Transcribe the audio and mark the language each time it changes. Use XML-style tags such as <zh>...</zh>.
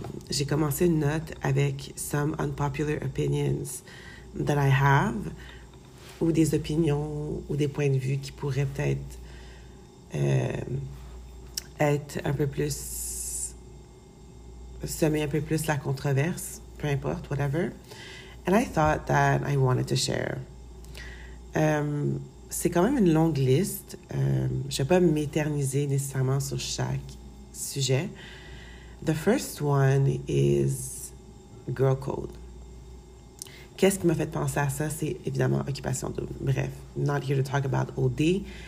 <fr>J'ai commencé une note avec</fr> <en>some unpopular opinions that I have,</en> <fr>ou des opinions ou des points de vue qui pourraient peut-être être un peu plus, semer un peu plus la controverse, peu importe,</fr> <en>whatever. And I thought that I wanted to share.</en> <fr>C'est quand même une longue liste. Je ne vais pas m'éterniser nécessairement sur chaque sujet.</fr> <en>The first one is girl code.</en> <fr>Qu'est-ce qui m'a fait penser à ça? C'est évidemment occupation double. Bref,</fr> <en>not here to talk about OD.</en>